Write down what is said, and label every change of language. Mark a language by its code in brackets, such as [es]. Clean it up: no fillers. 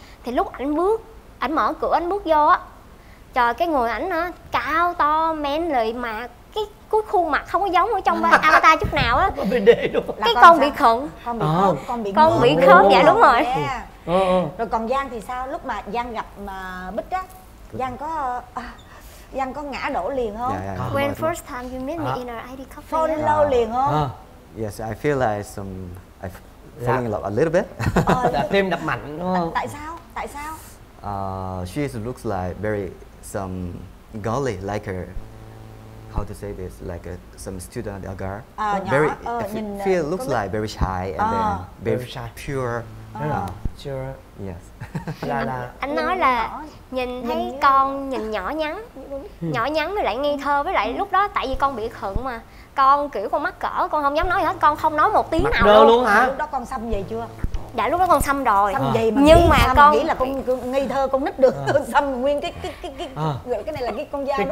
[vi] Thì lúc ảnh bước, ảnh mở cửa ảnh bước vô á, trời, cái người ảnh á cao to men lì mà cái khuôn mặt không có giống ở trong avatar chút nào á. Cái con bị khựng, con bị khớp. Dạ đúng rồi. Rồi còn Giang thì sao, lúc mà Giang gặp mà Bích á, Giang có ngã đổ liền không? [en] Yeah. When first time you meet me in our ID cafe, fall in love [vi] liền không? [en] Yes, I feel like some falling in love a little bit. [vi] Tim đập mạnh đúng không? Tại sao? [en] She looks like very some girly, like her, how to say this, like some student at Agar. Very feel looks like very shy and then very shy. Pure. Pure. Yes. [vi] Anh nói là nhìn thấy con nhìn nhỏ nhắn với lại ngây thơ, với lại lúc đó tại vì con bị khựng mà con kiểu con mắc cỡ, con không dám nói gì hết, con không nói một tiếng nào luôn hả? Lúc đó con xăm vậy chưa? Đã lúc đó con xăm rồi. Xăm gì mà nhưng mà con nghĩ là con ngây thơ con nít được xăm nguyên cái này là cái con dao